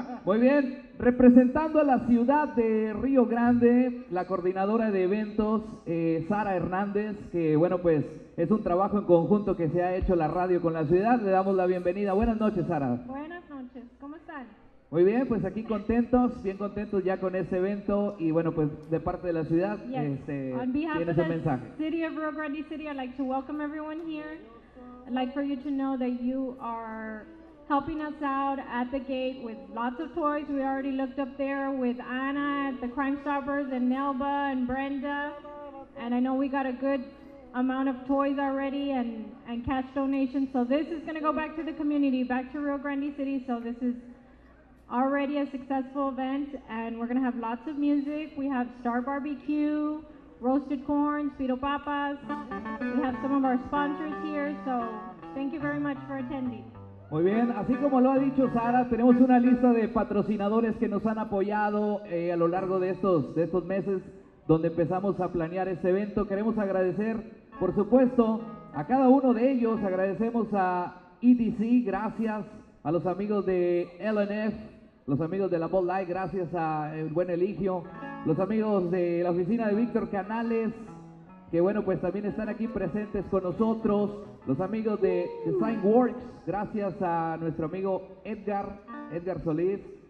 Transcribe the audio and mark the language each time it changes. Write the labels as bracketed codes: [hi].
[es] Muy bien, representando a la ciudad de Río Grande, la coordinadora de eventos, Sara Hernández, que bueno, pues es un trabajo en conjunto que se ha hecho la radio con la ciudad. Le damos la bienvenida. Buenas noches, Sara. Buenas noches, ¿cómo están? Muy bien, pues aquí contentos, bien contentos ya con este evento y bueno, pues de parte de la ciudad, tienes un mensaje. [en] City of Rio Grande City, I'd like to welcome everyone here. I'd like for you to know that you are helping us out at the gate with lots of toys. We already looked up there with Anna at the Crime Stoppers and Nelba and Brenda. And I know we got a good amount of toys already and cash donations. So this is going to go back to the community, back to Rio Grande City. So this is already a successful event and we're going to have lots of music. We have Star Barbecue, roasted corn, sweeto papas. We have some of our sponsors here, so thank you very much for attending. [es] Muy bien, así como lo ha dicho Sara, tenemos una lista de patrocinadores que nos han apoyado a lo largo de estos meses donde empezamos a planear este evento. Queremos agradecer, por supuesto, a cada uno de ellos. Agradecemos a EDC, gracias a los amigos de LNF, los amigos de la Bolt Light, gracias a el buen Eligio, los amigos de la oficina de Víctor Canales, que bueno, pues también están aquí presentes con nosotros, los amigos de Design Works, gracias a nuestro amigo Edgar Solís.